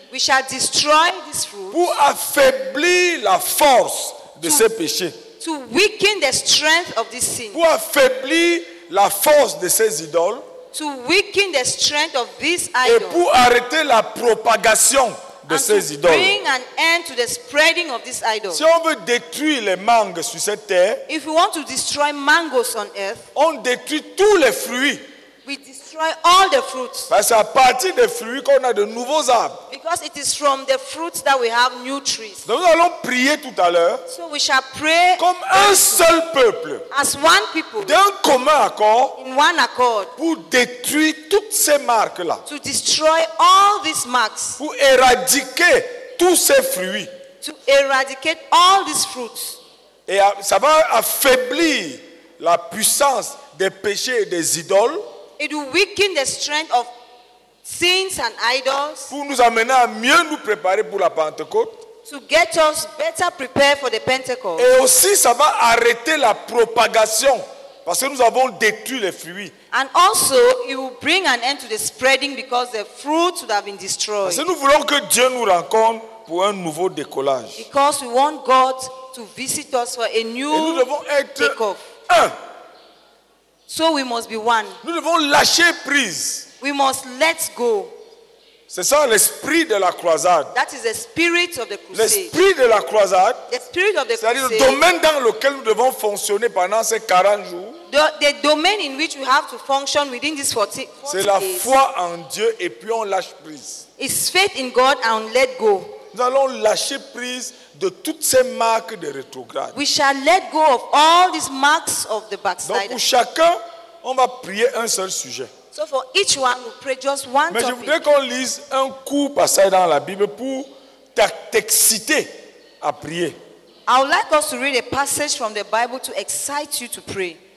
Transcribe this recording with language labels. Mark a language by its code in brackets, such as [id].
[en] We shall destroy this fruit. [fr] Pour affaiblir la force. De ces péchés. [en] To weaken the strength of this sin. [fr] Pour affaiblir la force de ces idoles. [en] To weaken the strength of this idol. [fr] Et pour arrêter la propagation de ces idoles. [en] And to bring an end to the spreading of this idol. [fr] Si on veut détruire les mangues sur cette terre. [en] If we want to destroy mangoes on earth. [fr] On détruit tous les fruits. [en] We destroy all the fruits. [fr] Parce que c'est à partir des fruits qu'on a de nouveaux arbres. [en] Because it is from the fruits that we have new trees. [fr] Donc nous allons prier tout à l'heure. [en] So we shall pray. [fr] Comme un seul peuple. [en] As one people. [fr] D'un commun accord. [en] In one accord. [fr] Pour détruire toutes ces marques là. [en] To destroy all these marks. [fr] Pour éradiquer tous ces fruits. [en] To eradicate all these fruits. [fr] Et ça va affaiblir la puissance des péchés et des idoles. [en] It will weaken the strength of sins and idols. [fr] Pour nous amener à mieux nous préparer pour la Pentecôte. [en] To get us better prepared for the Pentecost. [fr] Et aussi, ça va arrêter la propagation parce que nous avons détruit les fruits. [en] And also, it will bring an end to the spreading because the fruits would have been destroyed. [fr] Parce que nous voulons que Dieu nous rencontre pour un nouveau décollage. [en] Because we want God to visit us for a new [fr] et nous devons être [en] take-off. [fr] Un. [en] So we must be one. [fr] Nous devons lâcher prise. [en] We must let go. [fr] C'est ça l'esprit de la croisade. [en] That is the spirit of the crusade. [fr] L'esprit de la croisade. [en] The spirit of the crusade. [fr] C'est-à-dire le domaine dans lequel nous devons fonctionner pendant ces 40 jours. [en] The domain in which we have to function within these 40 days. [fr] C'est la foi en Dieu et puis on lâche prise. [en] It's faith in God and let go. [fr] Nous allons lâcher prise de toutes ces marques de rétrograde. [en] We shall let go of all these marks of the backslider. [fr] Donc pour chacun, on va prier un seul sujet. [en] So for each one, we pray just one topic. [fr] Mais je voudrais qu'on lise un court passage dans la Bible pour t'exciter à prier. [en] I would like us to read a passage from the Bible to excite you to pray.